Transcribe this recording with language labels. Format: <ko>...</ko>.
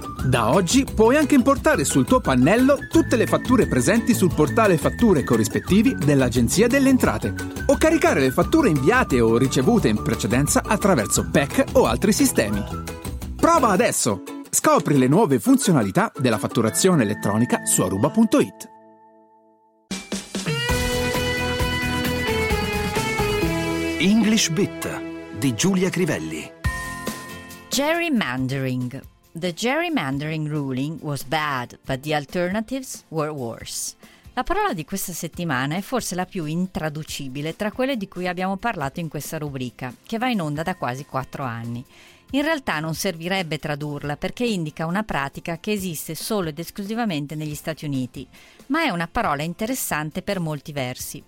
<it>Da oggi puoi anche importare sul tuo pannello tutte le fatture presenti sul portale fatture corrispettivi dell'Agenzia delle Entrate o caricare le fatture inviate o ricevute in precedenza attraverso PEC o altri sistemi. Prova adesso! Scopri le nuove funzionalità della fatturazione elettronica su aruba.it. English Bit di Giulia Crivelli.</it> <en>Gerrymandering. The gerrymandering ruling was bad, but the alternatives were worse.</en> <it>La parola di questa settimana è forse la più intraducibile tra quelle di cui abbiamo parlato in questa rubrica, che va in onda da quasi 4 anni. In realtà non servirebbe tradurla perché indica una pratica che esiste solo ed esclusivamente negli Stati Uniti, ma è una parola interessante per molti versi.</it>